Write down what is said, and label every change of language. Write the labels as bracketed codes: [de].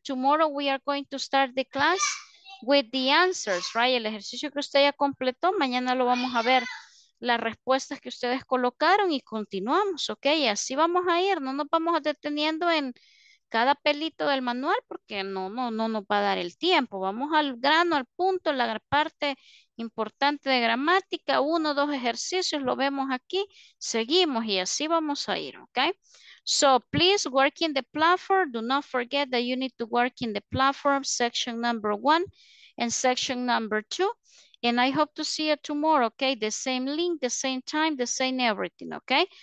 [en] Tomorrow we are going to start the class with the answers, right? [es] El ejercicio que usted ya completó, mañana lo vamos a ver. Las respuestas que ustedes colocaron y continuamos, ¿ok? Y así vamos a ir. No nos vamos deteniendo en cada pelito del manual, porque no nos va a dar el tiempo. Vamos al grano, al punto, la parte importante de gramática, 1, 2 ejercicios, lo vemos aquí, seguimos y así vamos a ir, ¿ok? [en] So, please work in the platform. Do not forget that you need to work in the platform, section number 1 and section number 2. And I hope to see you tomorrow, okay? The same link, the same time, the same everything, okay?